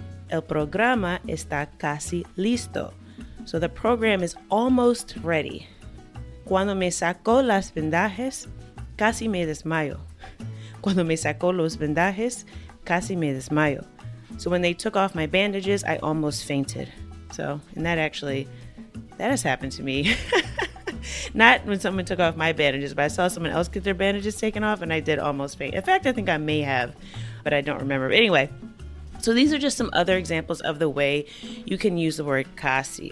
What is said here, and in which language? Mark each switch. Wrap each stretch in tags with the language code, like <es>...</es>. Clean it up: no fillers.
<es>El programa está casi listo.</es> <en>So the program is almost ready.</en> <es>Cuando me sacó las vendajes, casi me desmayo. Cuando me sacó los vendajes, casi me desmayo.</es> <en>So when they took off my bandages, I almost fainted. So, and that actually, that has happened to me. Not when someone took off my bandages, but I saw someone else get their bandages taken off and I did almost faint. In fact, I think I may have, but I don't remember. But anyway, so these are just some other examples of the way you can use the word casi.</en>